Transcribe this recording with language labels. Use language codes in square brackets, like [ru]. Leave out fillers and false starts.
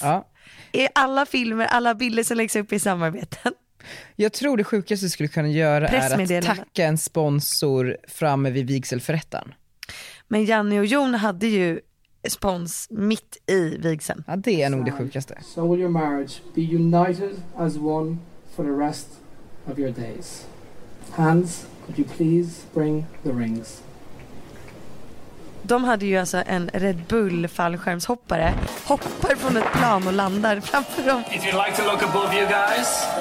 [sv] Ja. I alla filmer, alla bilder som läggs upp i samarbeten. Jag tror det sjukaste du skulle kunna göra är att tacka en sponsor framme vid vigselförrättaren. Men Janne och Jon hade ju spons mitt i vigseln. Ja, det är nog det sjukaste. [en] So will your marriage be united as one for the rest of your days. Hans, could you please bring the rings? [sv] De hade ju alltså en Red Bull fallskärmshoppare hoppar från ett plan och landar framför dem. [en] If you'd like to look above you guys.